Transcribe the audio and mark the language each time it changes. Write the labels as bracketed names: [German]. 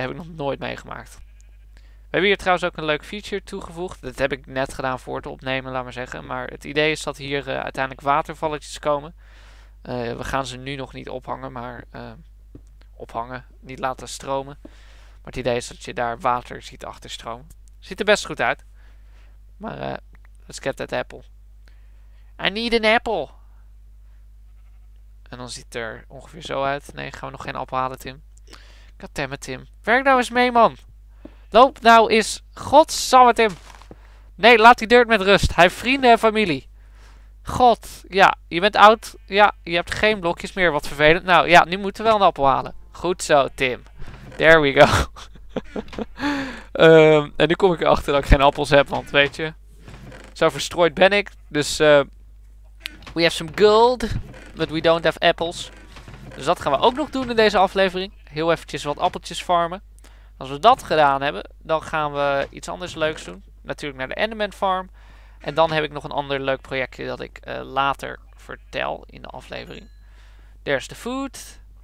[Dutch] Dat heb ik nog nooit meegemaakt. We hebben hier trouwens ook een leuk feature toegevoegd. Dat heb ik net gedaan voor het opnemen, laat maar zeggen. Maar het idee is dat hier uiteindelijk watervalletjes komen. We gaan ze nu nog niet ophangen, maar ophangen. Niet laten stromen. Maar het idee is dat je daar water ziet achterstromen. Ziet er best goed uit. [English] Maar let's get that apple. I need an apple. [Dutch] En dan ziet het er ongeveer zo uit. Nee, gaan we nog geen appel halen, Tim. Goddammit, Tim. Werk nou eens mee, man. Loop nou eens. Godsamme, Tim. Nee, laat die dirt met rust. Hij heeft vrienden en familie. God, ja, je bent oud. Ja, je hebt geen blokjes meer. Wat vervelend. Nou ja, nu moeten we wel een appel halen. Goed zo, Tim. [English] There we go. [Dutch] en nu kom ik erachter dat ik geen appels heb, want weet je. Zo verstrooid ben ik. [English] Dus we have some gold, but we don't have apples. [Dutch] Dus dat gaan we ook nog doen in deze aflevering. Heel eventjes wat appeltjes farmen. Als we dat gedaan hebben, dan gaan we iets anders leuks doen. Natuurlijk naar de Enderman Farm. En dan heb ik nog een ander leuk projectje dat ik later vertel in de aflevering. [English] There's the food.